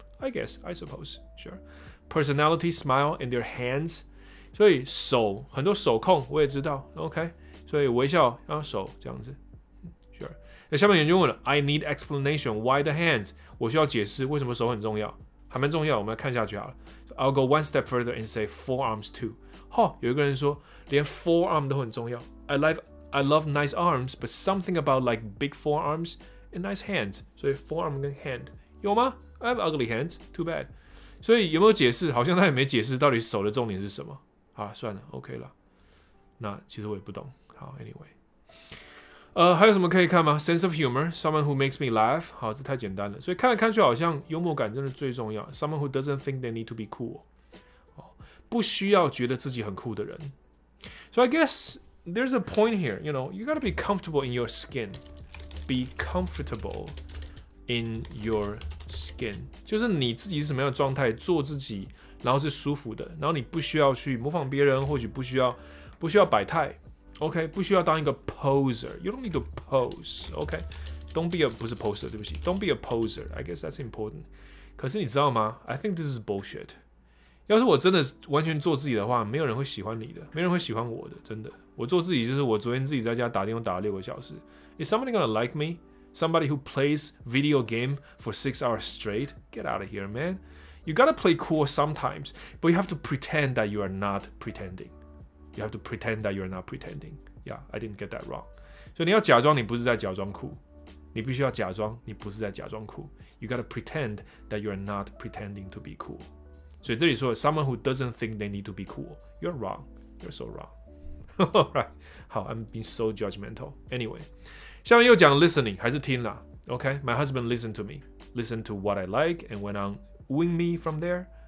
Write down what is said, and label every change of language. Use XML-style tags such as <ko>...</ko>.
<en>I suppose, sure。 Personality, smile, and their hands，</en> <zh>所以手很多手控我也知道</zh> <en>，OK。</en> <zh>所以微笑，然后手这样子 ，Sure。那下面有人问了 ，</zh> <en>I need explanation why the hands？</en> <zh>我需要解释为什么手很重要，还蛮重要。我们来看下去好了。</zh> <en>I'll go one step further and say forearms too。</en> <zh>哈，有一个人说连 forearm 都很重要。</zh> <en>I love nice arms， but something about like big forearms and nice hands。</en> <zh>所以 forearm 跟 hand 有吗 ？</zh> <en>I have ugly hands， too bad。</en> <zh>所以有没有解释？好像他也没解释到底手的重点是什么。好，算了 ，OK 了。那其实我也不懂。好 ，Anyway， 还有什么可以看吗 ？</zh> <en>Sense of humor， someone who makes me laugh。</en> <zh>好，这太简单了。所以看来看去，好像幽默感真的最重要。</zh> <en>Someone who doesn't think they need to be cool，</en> <zh>哦，不需要觉得自己很酷的人。</zh> <en>So I guess there's a point here. You know, you gotta be comfortable in your skin.</en> <zh>Be comfortable in your skin， 就是你自己是什么样的状态，做自己，然后是舒服的，然后你不需要去模仿别人，或许不需要摆态。 OK， 不需要当一个 poser，</zh> <en>you don't need to pose。 OK， don't be a 不是 poser， 对不起， don't be a poser。I guess that's important。</en> <zh>可是你知道吗？</zh> <en>I think this is bullshit。</en> <zh>要是我真的完全做自己的话，没有人会喜欢你的，没人会喜欢我的，真的。我做自己就是我昨天自己在家打电话打了六个小时。</zh> <en>Is somebody gonna like me？ Somebody who plays video game for 6 hours straight？ Get out of here, man！ You gotta play cool sometimes， but you have to pretend that you are not pretending。 You have to pretend that you're not pretending. Yeah, I didn't get that wrong.</en> <zh>所以你要假装你不是在假装酷，你必须要假装你不是在假装酷。</zh> <en>You gotta pretend that you're not pretending to be cool.</en> <zh>所以这里说</zh> <en>，someone who doesn't think they need to be cool, you're wrong. You're so wrong. Alright, 好 ，I'm being so judgmental. Anyway,</en> <zh>下面又讲 listening， 还是听啦。</zh> <en>OK, my husband listened to me, listened to what I like, and went on wooing me from there.</en>